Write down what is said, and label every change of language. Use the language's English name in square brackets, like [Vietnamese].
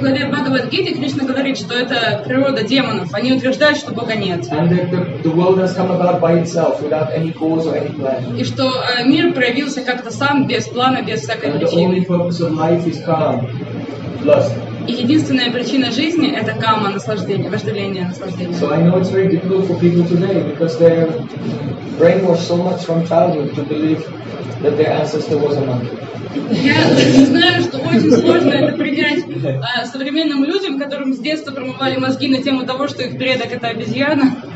[Russian] главе Бхагавад Гиты Кришна говорит, что это природа демонов. Они утверждают, что Бога нет. И что мир проявился как-то сам, без плана, без всякой причины. [English] And the only purpose of life is calm, lust. [Russian] И единственная причина жизни — это кама, наслаждение, вожделение, наслаждение. So я знаю, что очень сложно это принять современным людям, которым с детства промывали мозги на тему того, что их предок — это обезьяна.